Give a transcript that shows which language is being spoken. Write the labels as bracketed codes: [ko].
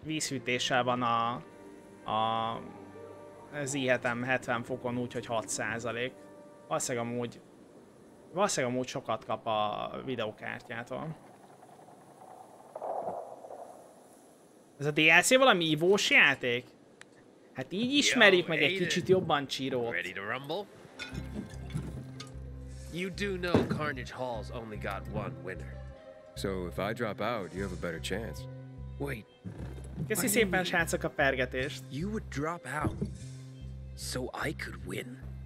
[hu] Vízhűtéssel van az ihetem 70 fokon, úgyhogy 6%. Valószínűleg amúgy sokat kap a videókártyától. Ez a DLC valami ivós játék? Hát így ismerjük meg egy kicsit jobban Chirót. [en] Ready to rumble? You do know Carnage Hall's only got one winner. So if I drop out, you have a better chance. Wait. [hu] Köszi szépen, srácok, a pergetést. [en] You would drop out so I could win?